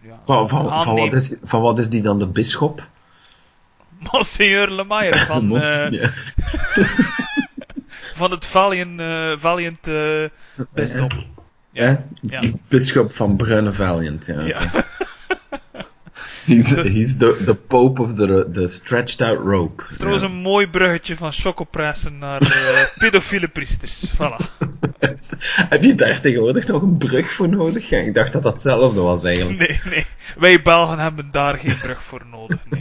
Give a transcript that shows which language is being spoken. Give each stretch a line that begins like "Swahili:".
Dutch: Van wat is die dan de bisschop? Monsieur Lemire van... van het Valiant bisschop. Ja, bisschop van Bruine Valiant. Ja.
English: He's the pope of the stretched out rope.
Dutch: Het is trouwens een mooi bruggetje van chocopressen naar pedofiele priesters. Voilà. Heb je daar tegenwoordig nog een brug voor nodig? Ja, ik dacht dat dat hetzelfde was eigenlijk. Nee. Wij Belgen hebben daar geen brug voor nodig.